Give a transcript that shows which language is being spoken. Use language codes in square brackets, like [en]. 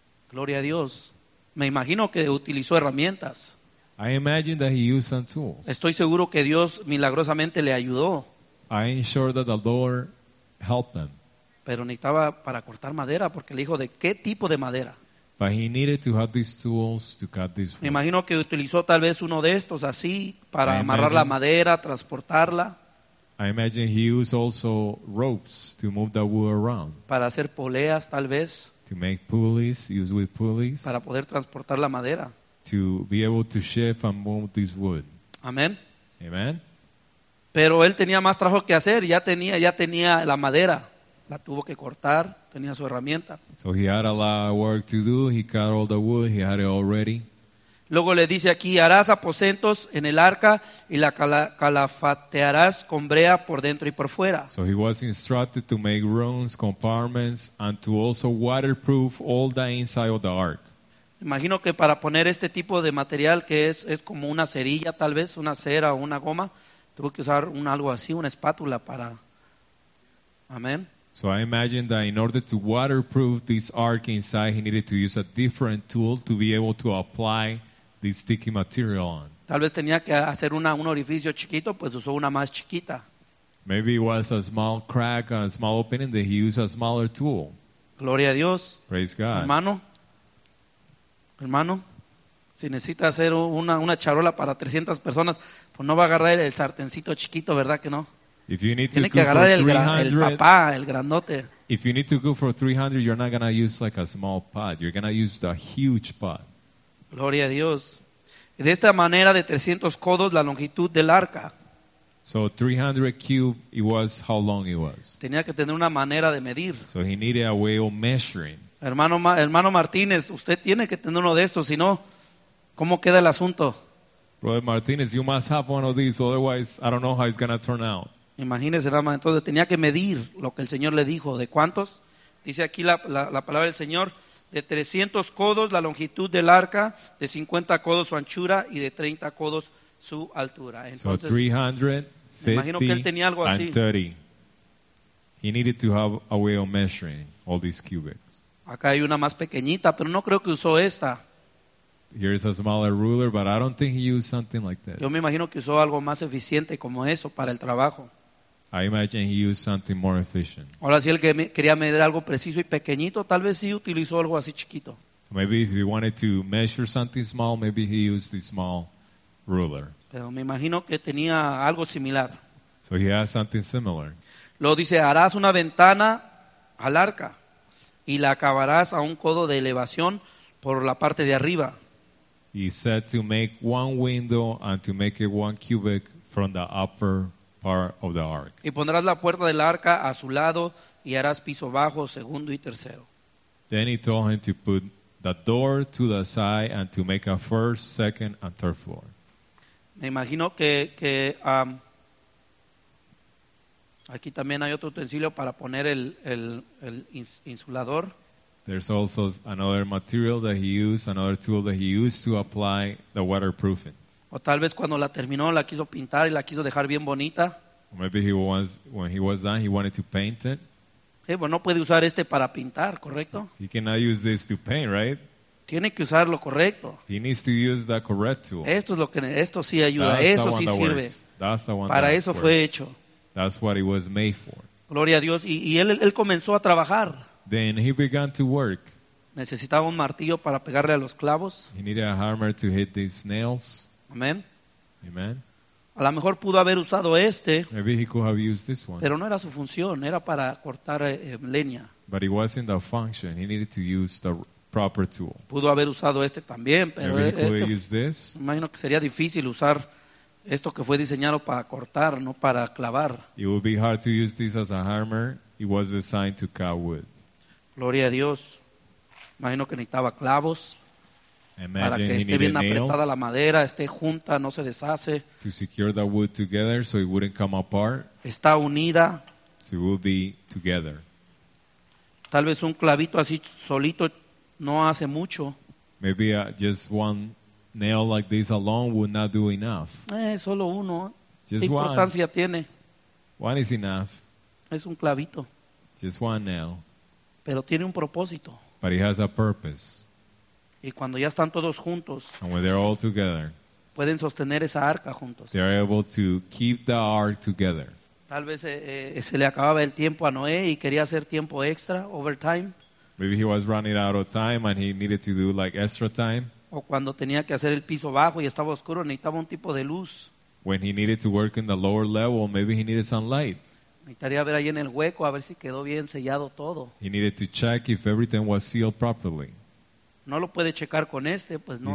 [es] Gloria a Dios. Me imagino que utilizó herramientas. [en] I imagine that he used some tools. [es] Estoy seguro que Dios milagrosamente le ayudó. [en] I am sure that the Lord helped them. [es] Pero necesitaba para cortar madera porque le dijo de qué tipo de madera. [en] But he needed to have these tools to cut this wood. [es] Me imagino que utilizó tal vez uno de estos así para amarrar la madera, transportarla. [en] I imagine he used also ropes to move the wood around. [es] Para hacer poleas tal vez. [en] To make pulleys, use with pulleys. [es] Para poder transportar la madera. [en] To be able to shift and move this wood. Amen. Amen. [es] Pero él tenía más trabajo que hacer, ya tenía la madera. La tuvo que cortar, tenía su herramienta. [en] So he had a lot of work to do. He cut all the wood, he had it all ready. [es] Luego le dice aquí, harás aposentos en el arca y la calafatearás con brea por dentro y por fuera. [en] So he was instructed to make rooms, compartments, and to also waterproof all the inside of the ark. [es] Imagino que para poner este tipo de material que es como una cerilla tal vez, una cera o una goma, tuvo que usar un algo así, una espátula para... Amén. [en] So I imagine that in order to waterproof this ark inside, he needed to use a different tool to be able to apply this sticky material on. [es] Tal vez tenía que hacer un orificio chiquito, pues usó una más chiquita. [en] Maybe it was a small crack, a small opening, that he used a smaller tool. [es] Gloria a Dios. [en] Praise God. [es] Hermano, si necesita hacer una charola para 300 personas, pues no va a agarrar el sartencito chiquito, ¿verdad que no? [en] If you need [es] tiene [en] to cook [es] que agarrar [en] for 300, [es] el papá, el grandote. [en] If you need to cook for 300, you're not going to use like a small pot. You're going to use the huge pot. [es] Gloria a Dios. De esta manera, de 300 codos, la longitud del arca. [en] So 300 cube, it was how long it was. [es] Tenía que tener una manera de medir. [en] So he needed a way of measuring. [es] Hermano Martínez, usted tiene que tener uno de estos, si no, ¿cómo queda el asunto? [en] Brother Martínez, you must have one of these, otherwise I don't know how it's going to turn out. [es] Imagínese, hermano, entonces tenía que medir lo que el Señor le dijo, ¿de cuántos? Dice aquí la palabra del Señor, de 300 codos la longitud del arca, de 50 codos su anchura y de 30 codos su altura. Entonces, [en] so 350 [es] imagino que él tenía algo así. [en] He needed to have a way of measuring all these cubits. [es] Acá hay una más pequeñita, pero no creo que usó esta. [en] Here is a smaller ruler, but I don't think he used something like this. [es] Yo me imagino que usó algo más eficiente como eso para el trabajo. [en] I imagine he used something more efficient. [es] Ahora si él quería medir algo preciso y pequeñito, tal vez sí utilizó algo así chiquito. [en] Maybe if he wanted to measure something small, maybe he used the small ruler. [es] Pero me imagino que tenía algo similar. [en] So he has something similar. [es] Lo dice, harás una ventana al arca y la acabarás a un codo de elevación por la parte de arriba. [en] He said to make one window and to make it one cubic from the upper part of the ark. [es] Y pondrás la puerta del arca a su lado y harás piso bajo, segundo y tercero. [en] Then he told him to put the door to the side and to make a first, second and third floor. [es] Me imagino que aquí también hay otro utensilio para poner el insulador. [en] There's also another material that he used, another tool that he used to apply the waterproofing. [es] O tal vez cuando la terminó la quiso pintar y la quiso dejar bien bonita. [en] Or maybe he was, when he was done, he wanted to paint it. [es] Hey, bueno, no puede usar este para pintar, ¿correcto? [en] He cannot use this to paint, right? [es] Tiene que usar lo correcto. [en] He needs to use the correct tool. [es] Esto es lo que, esto sí ayuda, eso sí sirve. [en] That's the one. [es] Para [en] that [es] eso [en] works. [es] Fue hecho. [en] That's what it was made for. [es] Gloria a Dios. Y él comenzó a trabajar. [en] Then he began to work. [es] Necesitaba un martillo para pegarle a los clavos. [en] He needed a hammer to hit these nails. Amen. Amen. [es] A lo mejor pudo haber usado este. [en] Maybe he could have used this one. [es] Pero no era su función, era para cortar leña. [en] But it wasn't the function. He needed to use the proper tool. [es] Pudo haber usado este también, pero imagino que sería difícil usar esto que fue diseñado para cortar, no para clavar. [en] It would be hard to use this as a hammer. It was designed to cut wood. [es] Gloria a Dios. Imagino que necesitaba clavos. [en] Imagine [es] para que esté bien apretada la madera, esté junta, no se deshace. [en] To secure the wood together so it wouldn't come apart. [es] Está unida. [en] So it would be together. [es] Tal vez un clavito así solito no hace mucho. [en] Maybe just one nail like this alone would not do enough. [es] Solo uno. [en] Just [es] ¿qué importancia [en] one. [es] Tiene? [en] One is enough. [es] Es un clavito. [en] Just one nail. [es] Pero tiene un propósito. [en] But it has a purpose. [es] Y cuando ya están todos juntos, [en] and when they're all together, [es] pueden sostener esa arca juntos. [en] They are able to keep the ark together. [es] Tal vez se le acababa el tiempo a Noé y quería hacer tiempo extra, overtime. [en] Maybe he was running out of time and he needed to do like extra time. [es] O cuando tenía que hacer el piso bajo y estaba oscuro, necesitaba un tipo de luz. [en] When he needed to work in the lower level, maybe he needed some light. [es] Necesitaría ver ahí en el hueco a ver si quedó bien sellado todo. [en] He needed to check if everything was sealed properly. [es] No lo puede checar con este, pues no,